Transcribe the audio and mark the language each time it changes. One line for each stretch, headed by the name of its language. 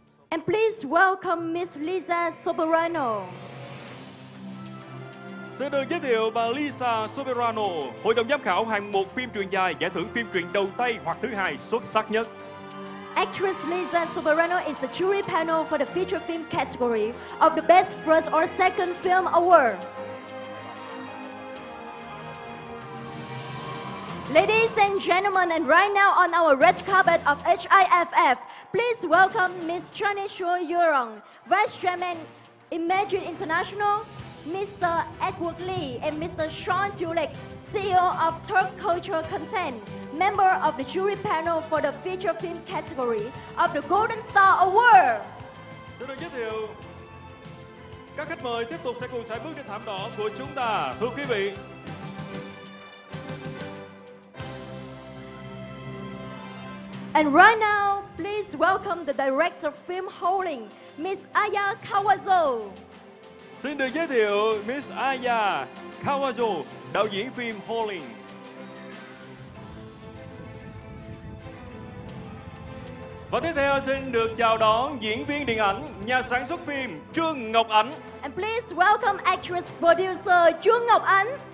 English: And please welcome Miss Lisa Soberano.
Vietnamese: Xin được giới thiệu bà Lisa Soberano, hội đồng giám khảo hạng mục phim truyền dài, giải thưởng phim truyền đầu tay hoặc thứ hai xuất sắc nhất.
English: Actress Lisa Soberano is the jury panel for the feature film category of the Best First or Second Film Award. Ladies and gentlemen, and right now on our red carpet of HIFF, please welcome Ms. Chani Shuo Yurong, Vice Chairman Imagine International, Mr. Edward Lee, and Mr. Sean Julek, CEO of Turk Cultural Content, member of the jury panel for the feature film category of the Golden Star Award.
Vietnamese: Xin được giới thiệu, các khách mời tiếp tục sẽ cùng sải bước trên thảm đỏ của chúng ta, thưa quý vị.
English: And right now, please welcome the director of film holding, Miss Aya Kawazo.
Vietnamese: Xin được giới thiệu Miss Aya Kawazo, đạo diễn phim holding. Và tiếp theo xin được chào đón diễn viên điện ảnh, nhà sản xuất phim Trương Ngọc Ánh.
English: And please welcome actress producer Trương Ngọc Ánh.